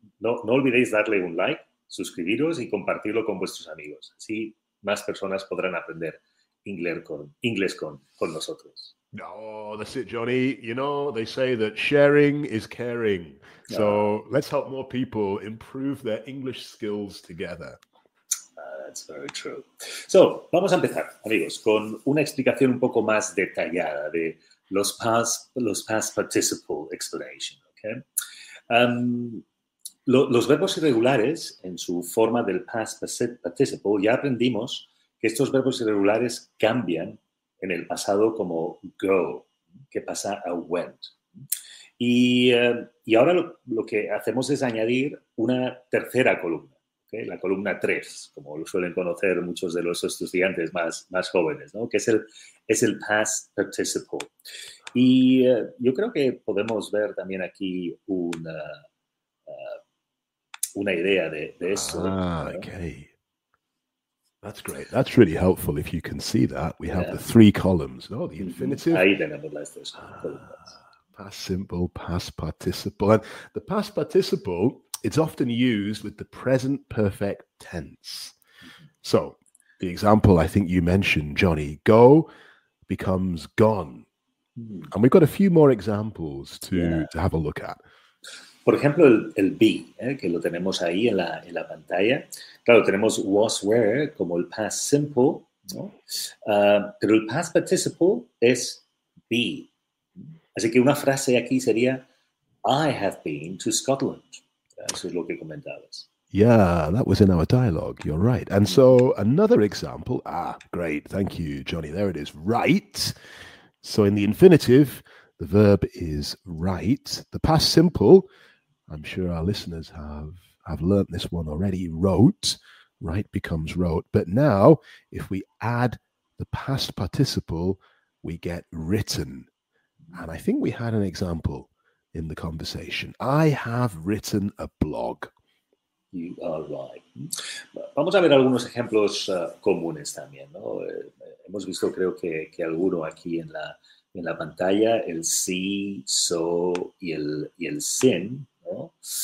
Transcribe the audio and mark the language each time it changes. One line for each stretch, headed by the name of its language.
Spanish: No olvidéis darle un like, suscribiros y compartirlo con vuestros amigos. Así más personas podrán aprender inglés con nosotros.
English: No, that's it, Johnny. You know, they say that sharing is caring. So let's help more people improve their English skills together. That's very true.
Spanish: So, vamos a empezar, amigos, con una explicación un poco más detallada de los
English: past participle explanation,
Spanish: ¿okay? Los verbos irregulares en su forma del past participle, ya aprendimos que estos verbos irregulares cambian en el pasado como go, que pasa a went. Y ahora lo que hacemos es añadir una tercera columna, ¿okay? La columna 3, como lo suelen conocer muchos de los estudiantes más jóvenes, ¿no? Que es el past participle. Y yo creo que podemos ver también aquí una idea de eso, ¿no?
English: Okay. That's great. That's really helpful if you can see that. We have the three columns. No, the infinitive,
Spanish: Ahí tenemos las tres columnas.
English: past simple, past participle. And the past participle, it's often used with the present perfect tense. So the example I think you mentioned, Johnny, go becomes gone. And we've got a few more examples to have a look at.
Spanish: Por ejemplo, el be, que lo tenemos ahí en la pantalla. Claro, tenemos was were como el past simple, ¿no? Pero el past participle es be. Así que una frase aquí sería
English: I have been to Scotland.
Spanish: Eso es lo que comentabas.
English: Yeah, that was in our dialogue. You're right. And so another example. Great. Thank you, Johnny. There it is. Right. So in the infinitive, the verb is write. The past simple, I'm sure our listeners have learnt this one already. Wrote. Write becomes wrote. But now, if we add the past participle, we get written. And I think we had an example in the conversation. I have written a blog. You are right.
Spanish: Vamos a ver algunos ejemplos comunes también, ¿no? Hemos visto, creo que alguno aquí en la pantalla, el see, so y el sin, ¿no?